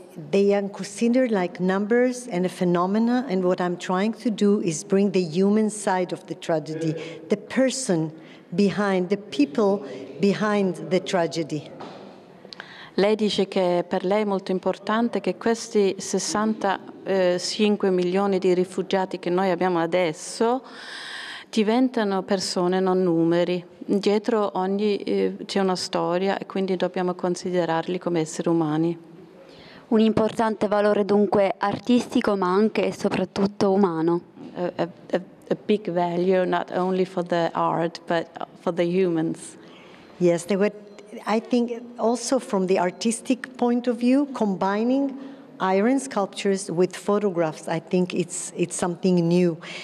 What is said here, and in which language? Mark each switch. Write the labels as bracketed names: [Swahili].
[English] They are considered like numbers and a phenomena, and what I'm trying to do is bring the human side of the tragedy, the person behind, the people behind the tragedy. [Italian] Lei dice che per lei è molto importante che questi 65 milioni di rifugiati che noi abbiamo adesso diventano persone, non numeri. Dietro ogni c'è una storia e quindi dobbiamo considerarli come esseri umani. Un importante valore dunque artistico ma anche e soprattutto umano. [English] A big value not only for the art but for the humans. Yes, they would. I think also from the artistic point of view, combining iron sculptures with photographs, I think it's something new.